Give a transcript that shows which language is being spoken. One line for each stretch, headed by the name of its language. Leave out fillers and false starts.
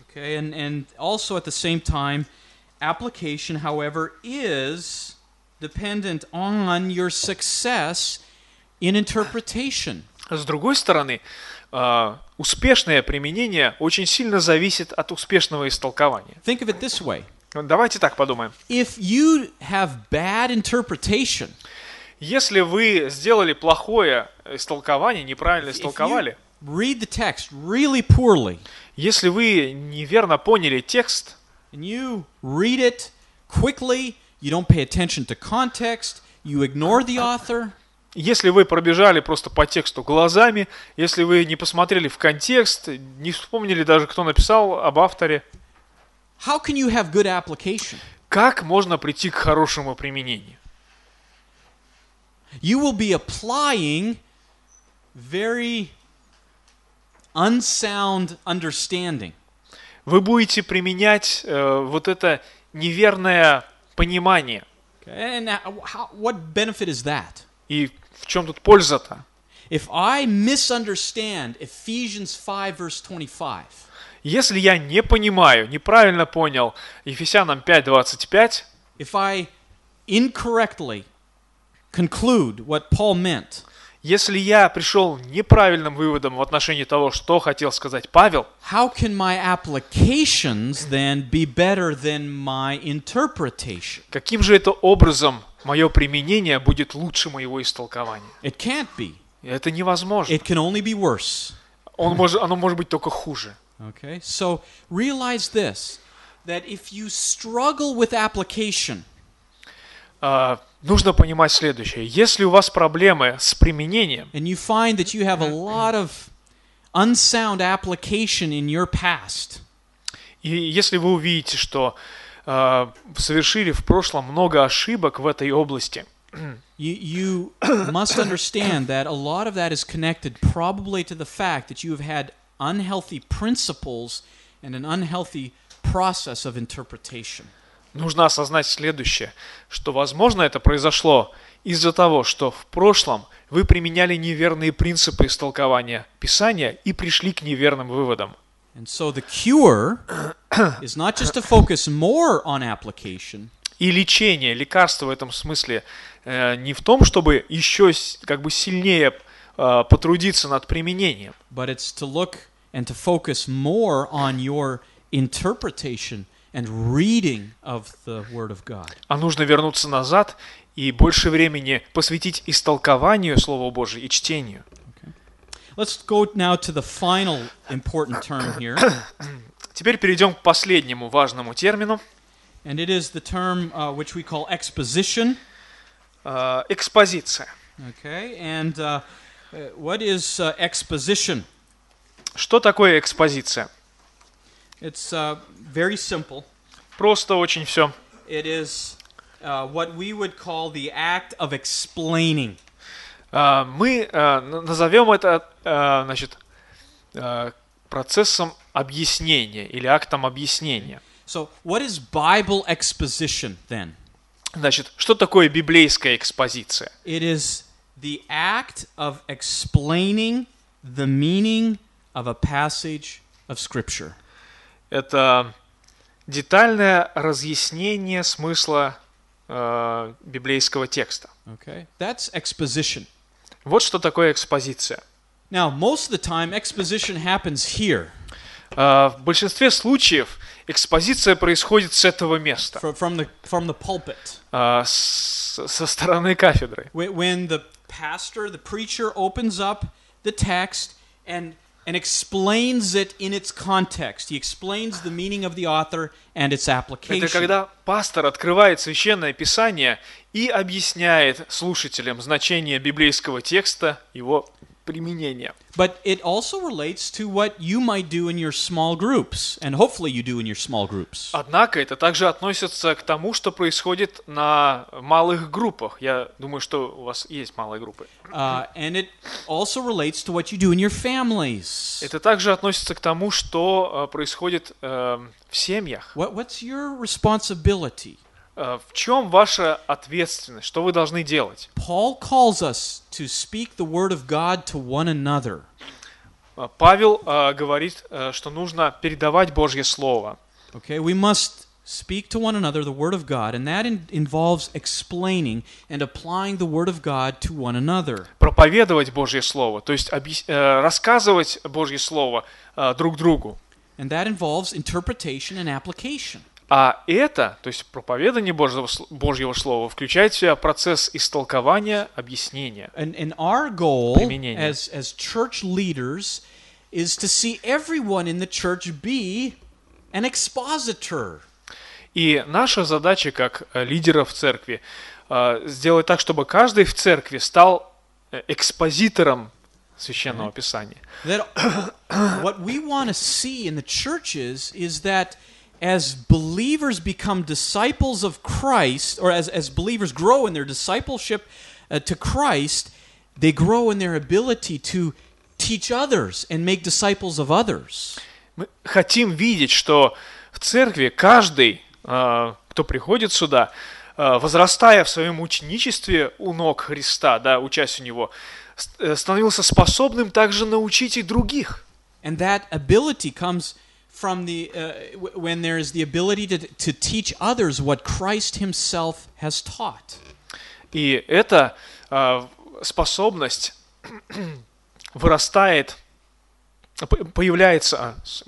English: Okay, and also at the same time, application, however, is dependent on your success in interpretation.
Russian: С другой стороны, успешное применение очень сильно зависит от успешного истолкования.
English: Think of it this way.
Russian: Давайте так подумаем.
English: If you have bad interpretation,
Russian: если вы сделали плохое истолкование, неправильно истолковали,
English: if you read the text really poorly,
Russian: если вы неверно поняли текст,
English: and you read it quickly, you don't pay attention to context, you ignore the author,
Russian: Если вы пробежали просто по тексту глазами, если вы не посмотрели в контекст, не вспомнили даже, кто написал об авторе,
English: how can you have good application?
Russian: Как можно прийти к хорошему применению?
English: You will be applying very unsound understanding.
Russian: Вы будете применять вот это неверное понимание.
English: And how, what benefit is that?
Russian: И в чем тут польза-то?
English: If I misunderstand Ephesians 5, verse 25,
Russian: если я не понимаю, неправильно понял Ефесянам 5:25,
English: if I incorrectly conclude what Paul meant,
Russian: если я пришел неправильным выводом в отношении того, что хотел сказать Павел,
English: how can my applications then be better than my interpretation?
Russian: Каким же это образом мое применение будет лучше моего истолкования?
English: It can't be.
Russian: Это невозможно.
English: It can only be worse.
Russian: Оно может быть только хуже.
English: Okay. So realize this, that if you struggle with application,
Russian: нужно понимать следующее. Если у вас проблемы с применением,
English: and you find that you have a lot of unsound application in your past,
Russian: и если вы увидите, что совершили в прошлом много ошибок в этой области,
English: you must understand that a lot of that is connected probably to the fact that you have had unhealthy principles and an unhealthy process of interpretation.
Russian: Нужно осознать следующее, что, возможно, это произошло из-за того, что в прошлом вы применяли неверные принципы истолкования Писания и пришли к неверным выводам.
English: And so the cure is not just to focus more on application.
Russian: И лечение, лекарство в этом смысле не в том, чтобы еще как бы сильнее потрудиться над применением.
English: But it's to look and to focus more on your interpretation and reading of the Word of God.
Russian: А нужно вернуться назад и больше времени посвятить истолкованию Слова Божьего и чтению.
English: Let's go now to the final important term here.
Russian: Теперь перейдем к последнему важному термину.
English: And it is the term which we call exposition.
Russian: Экспозиция.
English: Okay. And what is exposition?
Russian: Что такое экспозиция?
English: It's very simple.
Russian: Просто очень все.
English: It is what we would call the act of explaining.
Russian: Мы назовем это, значит, процессом объяснения или актом объяснения.
English: So, what is Bible exposition then?
Russian: Значит, что такое библейская экспозиция?
English: It is the act of explaining the meaning of a passage of Scripture.
Russian: Это детальное разъяснение смысла библейского текста.
English: Okay, that's exposition.
Russian: Вот что такое экспозиция.
English: Now, most of the time, exposition happens here.
Russian: В большинстве случаев экспозиция происходит с этого места.
English: From the pulpit.
Russian: Со стороны кафедры.
English: When the pastor, the preacher, opens up the text and explains it in its context. He explains the meaning of the author and its application.
Russian: Это когда пастор открывает Священное Писание и объясняет слушателям значение библейского текста, его применение.
English: But it also relates to what you might do in your small groups, and hopefully you do in your small groups.
Russian: Однако это также относится к тому, что происходит на малых группах. Я думаю, что у вас есть малые группы.
English: And it also relates to what you do in your families.
Russian: Это также относится к тому, что происходит в семьях.
English: What's your responsibility?
Russian: В чем ваша ответственность? Что вы должны делать?
English: Paul calls us to speak the word of God to one another.
Russian: Павел говорит, что нужно передавать Божье слово.
English: Okay, we must speak to one another the word of God, and that involves explaining and applying the word of God to one another.
Russian: Проповедовать Божье слово, то есть рассказывать Божье слово друг другу.
English: And that involves interpretation and application.
Russian: А это, то есть проповедание Божьего Слова, включает в себя процесс истолкования, объяснения,
English: and our goal
Russian: применения.
English: As church leaders is to see everyone in the church be an expositor.
Russian: И наша задача, как лидеров церкви, сделать так, чтобы каждый в церкви стал экспозитором Священного Писания.
English: That what we want to see in the churches is that as believers become disciples of Christ, or as believers grow in their discipleship to Christ, they grow in their ability to teach others and make disciples of others.
Russian: Мы хотим видеть, что в церкви каждый, кто приходит сюда, возрастая в своем ученичестве у ног Христа, да, учась у Него, становился способным также научить и других.
English: And that ability comes from the when there is the ability to teach others what Christ Himself has taught.
Russian: И эта способность вырастает, появляется.